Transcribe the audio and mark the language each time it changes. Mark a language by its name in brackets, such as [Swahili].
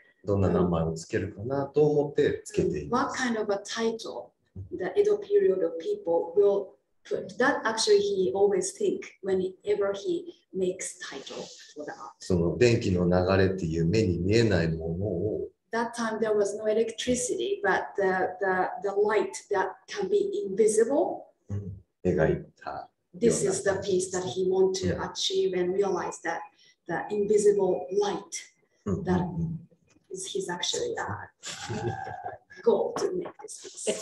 [Japanese] どんな名前をつけるかなと思ってつけています。 [English] What kind of a title the Edo period of people will put? That actually he always think whenever he. Makes title for that. [Japanese] その電気の流れっていう目に見えないものを。 [English] That time there was no electricity, but the light that can be invisible. [Japanese] 描いた。 [English] This is the piece that he want to achieve and realize that the invisible light that is his actually goal to make this piece.